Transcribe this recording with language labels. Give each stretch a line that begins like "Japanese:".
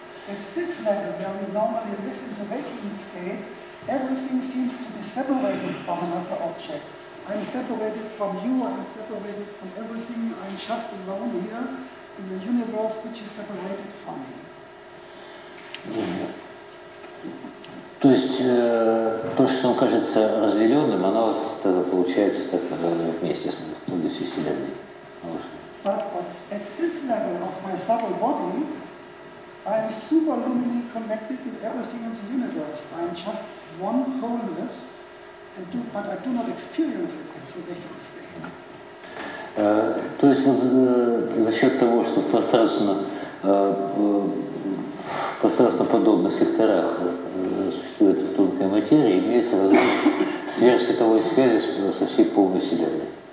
English: At this level, where we normally live in the waking state, everything seems to be separated from another object. I'm separated from you, I'm separated from everything, I'm just alone here in the universe which is separated from me.
Russian: То есть то, что нам кажется разделенным, оно вот тогда получается так вместе с всей Вселенной.
English: But at this level of my subtle body, I'm superluminally connected with everything in the universe. I'm just one wholeness. But I do not experience it in the waking state.
Russian: То есть вот за счет того, что в пространственно подобных секторах существует тонкая материя, имеется возможность сверхсветовой связи со всей полной Вселенной.